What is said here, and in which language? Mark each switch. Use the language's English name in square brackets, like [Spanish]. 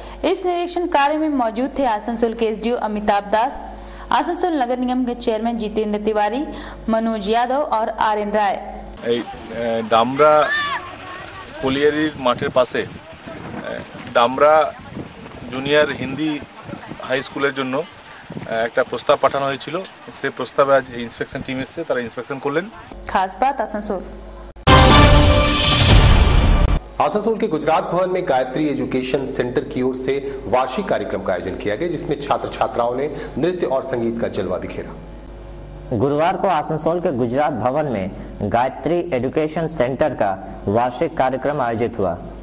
[Hindi] इस निरीक्षण कार्य में मौजूद थे आसनसोल के SDO अमिताभ दास, आसनसोल नगर निगम के चेयरमैन जितेंद्र तिवारी, मनोज यादव और आर्यन राय। डामरा कोलियरी मठर पासे डामरा जूनियर हिंदी हाई स्कूल [Bangla] একটা প্রস্তাব পাঠানো হয়েছিল, সেই প্রস্তাবে আজ ইন্সপেকশন টিম এসেছে, তারা ইন্সপেকশন করলেন। [Hindi] খাস বাত আসানসোল। आसनसोल के गुजरात भवन में गायत्री एजुकेशन सेंटर की ओर से वार्षिक कार्यक्रम का आयोजन किया गया, जिसमें छात्र छात्राओं ने नृत्य और संगीत का जलवा बिखेरा। गुरुवार को आसनसोल के गुजरात भवन में गायत्री एजुकेशन सेंटर का वार्षिक कार्यक्रम आयोजित हुआ।